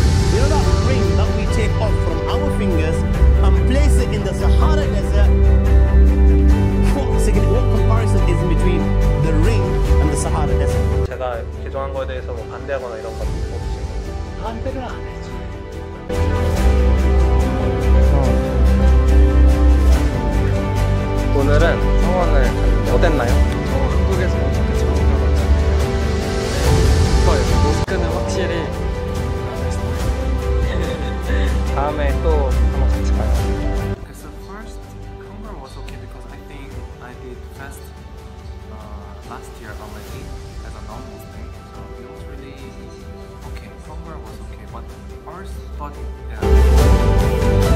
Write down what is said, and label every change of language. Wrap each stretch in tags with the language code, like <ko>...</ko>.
<en>You know that ring that we take off from our fingers and place it in the Sahara Desert? What comparison is in between the ring and the Sahara Desert?</en> <ko>제가 개종한 거에 대해서 뭐 반대하거나 이런 것도 없으신 거예요? 반대를 안 해줘. Oh. 오늘은 성원을 어땠나요? 저 한국에서 다음에 또 한번 같이 가요.</ko> <en>It's the first cover was okay because I think I did fast last year already as a non-Muslim, so it was really okay. Cover was okay, but first body. Yeah.</en>